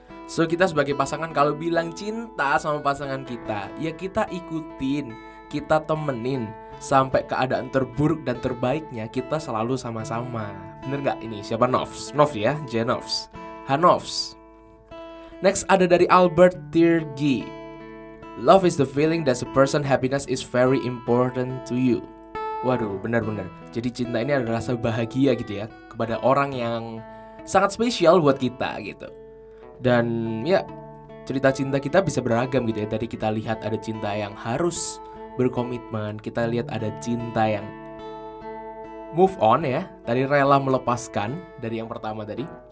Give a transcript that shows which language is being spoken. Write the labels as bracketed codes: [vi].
[id] So kita sebagai pasangan kalau bilang cinta sama pasangan kita, ya kita ikutin, kita temenin sampai keadaan terburuk dan terbaiknya kita selalu sama-sama. Bener gak ini? Siapa Novs? Novs ya? Janovs? Hanovs? Next ada dari Albert Tirgi. [en] Love is the feeling that a person's happiness is very important to you. [id] Waduh, benar-benar. Jadi cinta ini adalah rasa bahagia gitu ya kepada orang yang sangat spesial buat kita gitu. Dan ya, cerita cinta kita bisa beragam gitu ya. Tadi kita lihat ada cinta yang harus berkomitmen, kita lihat ada cinta yang move on ya, tadi rela melepaskan dari yang pertama tadi.